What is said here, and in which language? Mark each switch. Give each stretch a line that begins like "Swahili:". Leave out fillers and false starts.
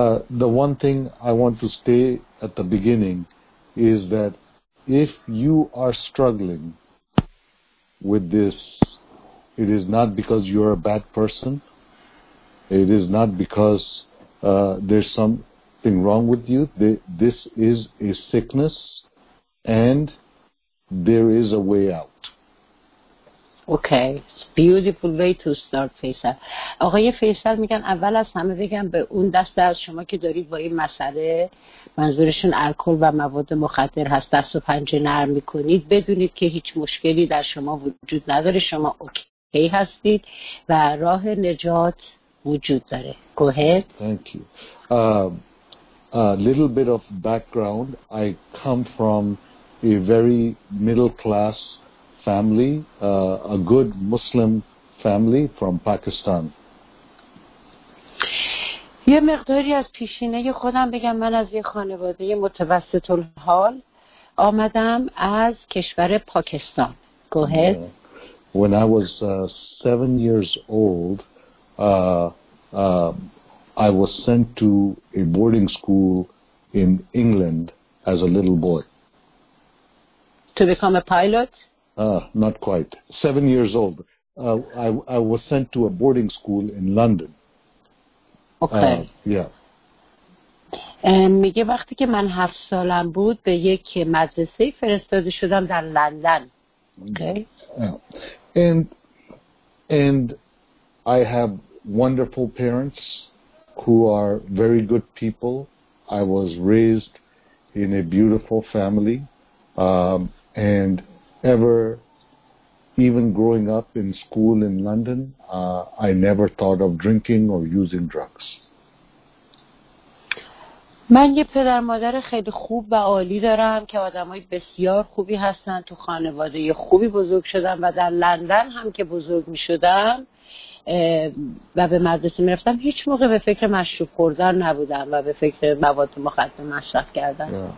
English: The one thing I want to say at the beginning is that if you are struggling with this, it is not because you are a bad person. It is not because there's something wrong with you. This is a sickness and there is a way out. Okay, it's a beautiful way to start, Faisal.
Persian: آقای فیصل میگن اول از همه بگم به اون دسته از شما که دارید با این مسئله، منظورشون الکل و مواد مخدر هست، دست و پنجه نرم میکنید، بدونید که هیچ مشکلی در شما وجود نداره، شما اوکی هستید و راه نجات وجود داره.
English: Go ahead. Thank you. A little bit of background. I come from a very middle class family, a good Muslim family from Pakistan.
Persian: یه مقداری از پیشینه خودم بگم، من از یه خانواده متوسط الحال آمدم از کشور پاکستان.
English: Go ahead. Yeah. When I was 7 years old, I was sent to a boarding school in England as a little boy. To become a pilot? Not quite. 7 years old. I was sent to a boarding school in London. Okay.
Persian: میگه وقتی که من 7 سالم بود به یک مدرسه فرستاده شدم در لندن.
English: Okay. And I have wonderful parents who are very good people. I was raised in a beautiful family. And ever even growing up in school in London, I never thought of drinking or using drugs.
Persian: من یه پدر مادر خیلی خوب و عالی دارم که آدمای بسیار خوبی هستن. تو خانواده خوبی بزرگ شدم و در لندن هم که بزرگ می‌شدم و به مدرسه می‌رفتم، هیچ موقع به فکر مشروب خوردن نبودم و به فکر مواد مخدر مصرف کردن.